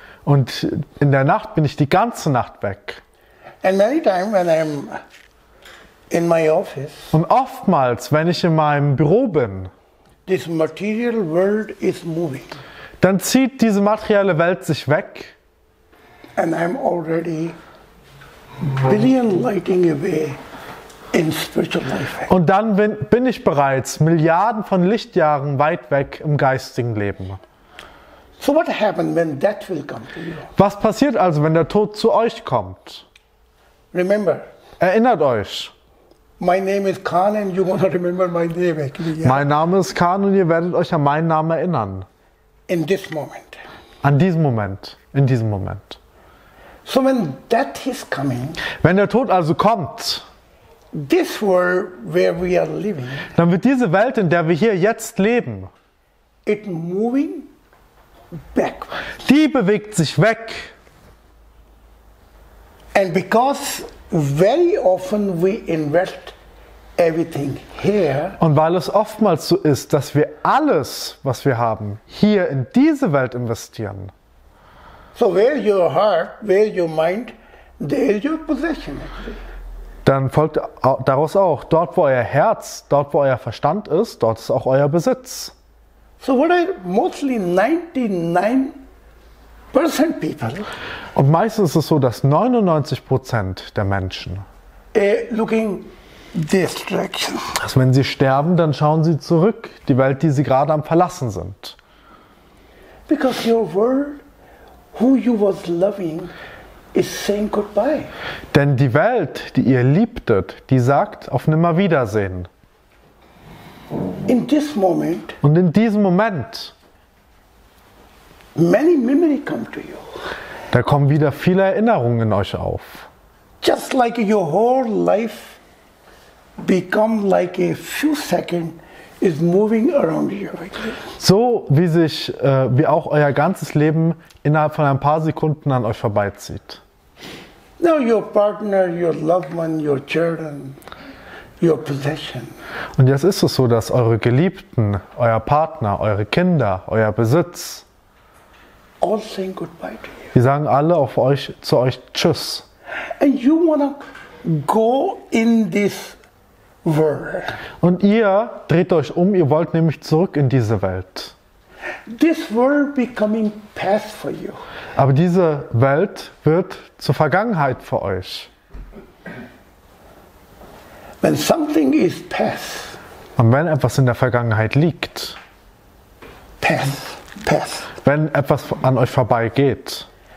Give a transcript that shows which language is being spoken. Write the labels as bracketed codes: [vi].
[de] Und in der Nacht bin ich die ganze Nacht weg. [en] And many times when I'm in my office. [de] Und oftmals, wenn ich in meinem Büro bin, [en] this material world is moving. [de] Dann zieht diese materielle Welt sich weg. [en] And I'm already billion lighting away in spiritual life. [de] Und dann bin ich bereits Milliarden von Lichtjahren weit weg im geistigen Leben. [en] So what happened when death will come to you? [de] Was passiert also, wenn der Tod zu euch kommt? [en] Remember. [de] Erinnert euch. [en] My name is Khan and you won't remember my name. [de] Mein Name ist Khan und ihr werdet euch an meinen Namen erinnern. [en] In this moment. [de] An diesem Moment. In diesem Moment. [en] So when death is coming. [de] Wenn der Tod also kommt. [en] This world where we are living. [de] Dann wird diese Welt, in der wir hier jetzt leben. [en] It moving. Backwards. [de] Die bewegt sich weg. [en] And because very often we invest everything here. [de] Und weil es oftmals so ist, dass wir alles, was wir haben, hier in diese Welt investieren. [en] So where your heart, where your mind, there is your possession. [de] Dann folgt daraus auch, dort wo euer Herz, dort wo euer Verstand ist, dort ist auch euer Besitz. [en] So what are mostly 99% people. [de] Und meistens ist es so, dass 99% der Menschen [en] looking this direction. [de] Dass wenn sie sterben, dann schauen sie zurück, die Welt, die sie gerade am verlassen sind. [en] Because your world, who you was loving, is saying goodbye. [de] Denn die Welt, die ihr liebtet, die sagt auf Nimmerwiedersehen. [en] In this moment, [de] und in diesem Moment, [en] many memory come to you. [de] Da kommen wieder viele Erinnerungen in euch auf. [en] Just like your whole life become like a few seconds is moving around you. [de] So wie sich wie auch euer ganzes Leben innerhalb von ein paar Sekunden an euch vorbeizieht. [en] Now your partner, your loved one, your children. Your possession. [de] Und jetzt ist es so, dass eure Geliebten, euer Partner, eure Kinder, euer Besitz, [en] all saying goodbye to you. [de] Die sagen alle auf euch, zu euch Tschüss. [en] And you wanna go in this world. [de] Und ihr dreht euch um, ihr wollt nämlich zurück in diese Welt. [en] This world becoming past for you. [de] Aber diese Welt wird zur Vergangenheit für euch. [en] When something is past. [de] Und wenn etwas in der Vergangenheit liegt. [en] Past, past. [de] Wenn etwas an euch vorbeigeht.